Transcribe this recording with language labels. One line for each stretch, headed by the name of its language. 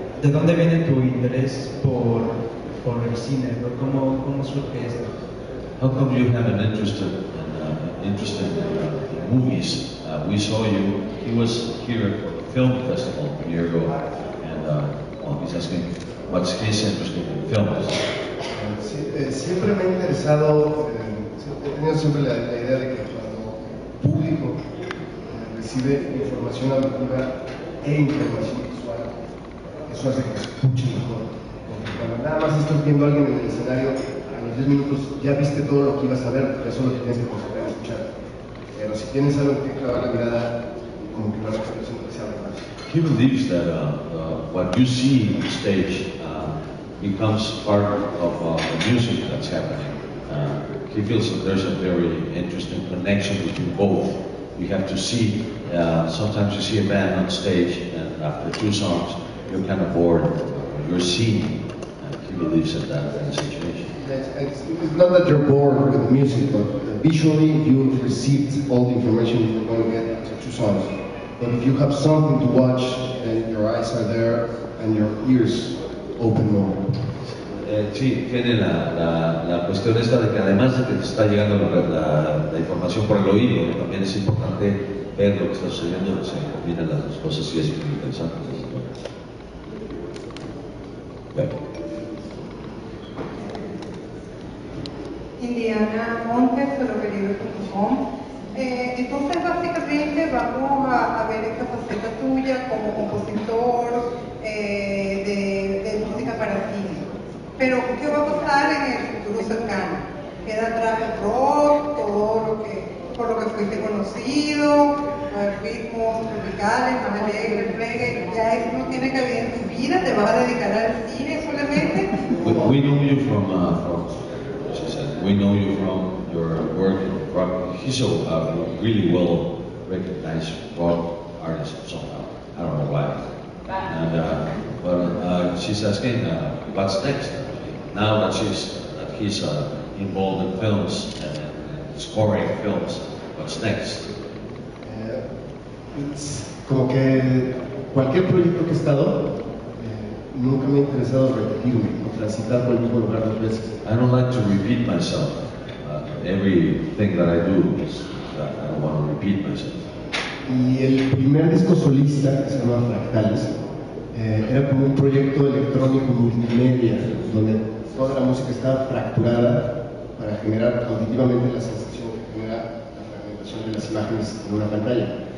Spanish: ¿De dónde viene tu interés por el cine? ¿Cómo surge esto?
English: How come you have an interest in movies? We saw you. He was here for a film festival a year ago, and he's asking what's his interest in films.
Spanish: Siempre me ha interesado, he tenido siempre la idea de que cuando el público recibe información auditiva e información visual, eso hace que escuche mejor. Porque cuando nada más estás viendo a alguien en el escenario, a los 10 minutos ya viste todo lo que ibas a ver, porque eso es lo que tienes que concentrar y escuchar. Pero si tienes algo que clavar la mirada, como que no es que se sea más.
English: He believes that what you see on the stage becomes part of the music that's happening. He feels that there's a very interesting connection between both. You have to see, sometimes you see a band on stage and after two songs, you're kind of bored. You're seeing, and he believes in that kind of situation. It's not that you're bored with music, but visually you've received all the information you're going to get after two songs. But if you have something to watch, then your eyes are there and your ears open more.
Spanish: Sí, tiene la cuestión esta de que además de que te está llegando la información por el oído, también es importante ver lo que está sucediendo, se combinan las dos cosas y es muy interesante. Bueno. Hola, buenas tardes. Básicamente vamos a ver esta faceta tuya como compositor de música para cine. Pero, ¿qué va a pasar en el futuro cercano? ¿Queda atrás el rock, todo lo que, por lo que fuiste conocido, ritmos tropicales, más alegre, reggae? ¿Ya eso no tiene que ver en tu vida? ¿Te vas a dedicar al cine solamente?
English: We know you from, she said, we know you from your work in rock. He's a really well recognized rock artist somehow. I don't know why. And, she's asking, what's next? Now that he's involved in films and scoring films, what's next? It's
Spanish: como que cualquier proyecto que he estado, nunca me ha interesado repetirme, transitar por el mismo lugar dos veces.
English: I don't like to repeat myself. Everything that I do is that I don't want to repeat myself.
Spanish: Y el primer disco solista que se llama Fractales era como un proyecto electrónico multimedia donde toda la música estaba fracturada para generar auditivamente la sensación que genera la fragmentación de las imágenes en una pantalla.